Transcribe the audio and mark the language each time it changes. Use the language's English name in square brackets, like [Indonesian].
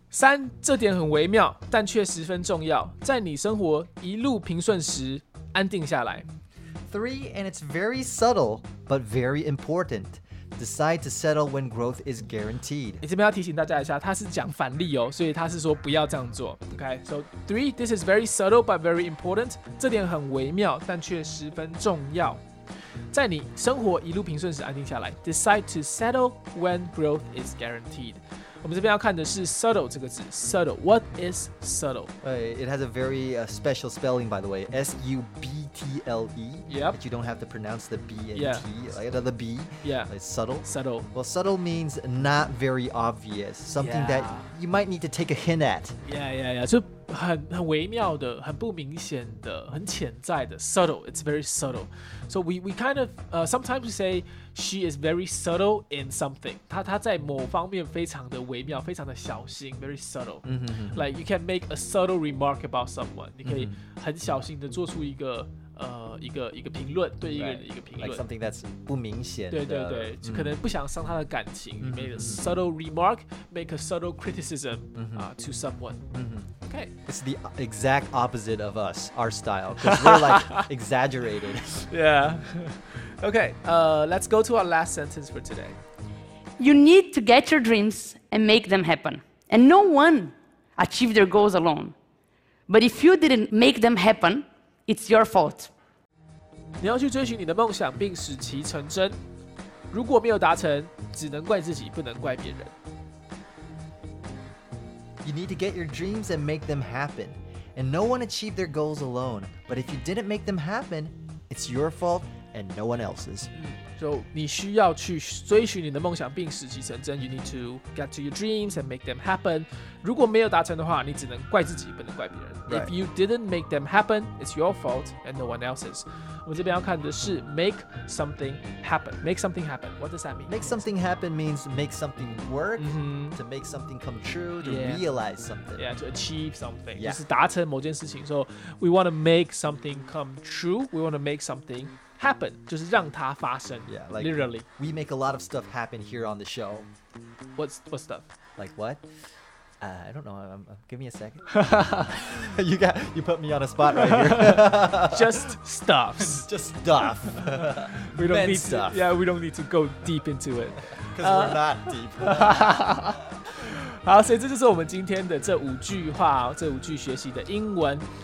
[Chinese] 三，这点很微妙，但却十分重要。在你生活一路平顺时，安定下来。 [English] Three, and it's very subtle, but very important. Decide to settle when growth is guaranteed. [Chinese] 这边要提醒大家一下，他是讲反例哦，所以他是说不要这样做。 [English] Okay, so three, this is very subtle, but very important. [Chinese] 这点很微妙，但却十分重要。在你生活一路平顺时，安定下来。 [English] Decide to settle when growth is guaranteed. [Chinese] 我们这边要看的是 subtle 这个字 subtle. [English] What is subtle? It has a very special spelling, by the way. S-U-B-T-L-E. Yep. But you don't have to pronounce the B and T. Yeah. The B. Yeah. It's subtle. Subtle. Well, subtle means not very obvious. Something that you might need to take a hint at. Yeah. So, [Chinese] 很微妙的，很不明显的，很潜在的 ，subtle. [English] It's very subtle. So we kind of sometimes say she is very subtle in something. [Chinese] 她在某方面非常的微妙，非常的小心 ， [English] very subtle. Mm-hmm. Like you can make a subtle remark about someone. [Chinese] 你可以很小心的做出一个。一个评论对一个人的一个评论 [English] like something that's [Chinese] 不明显的对对对、 [English] mm-hmm. [Chinese] 就可能不想伤他的感情、 [English] mm-hmm. you made a subtle remark make a subtle criticism、mm-hmm. To someone、 mm-hmm. okay it's the exact opposite of us our style because we're like exaggerated yeah okay let's go to our last sentence for today you need to get your dreams and make them happen and no one achieved their goals alone but if you didn't make them happenIt's your fault. [Chinese] 你要去追寻你的梦想并使其成真。如果没有达成，只能怪自己，不能怪别人。 [English] You need to get your dreams and make them happen. And no one achieved their goals alone. But if you didn't make them happen, it's your fault and no one else's. [Chinese] 你需要去追寻你的梦想并使其成真。 [English] You need to get to your dreams and make them happen. [Chinese] 如果没有达成的话，你只能怪自己，不能怪别人。 [English] Right. If you didn't make them happen, it's your fault and no one else's. [Chinese] 我们这边要看的是 [English] make something happen. Make something happen. What does that mean? Make something happen means make something work,、 mm-hmm. to make something come true, to、yeah. realize something. Yeah, to achieve something.、 Yeah. [Chinese] 就是达成某件事情。 [English] So we want to make something come true. We want to make something happen. [Chinese] 就是让它发生。 [English] Yeah, like, literally. We make a lot of stuff happen here on the show. What stuff? Like what? I don't know. Give me a second. you put me on a spot right here. Just stuff. Just stuff. We don't、 Men、 need stuff. To, yeah, we don't need to go deep into it. Because we're not deep. [Chinese] 好，所以这就是我们今天的这五句话、哦，这五句学习的英文。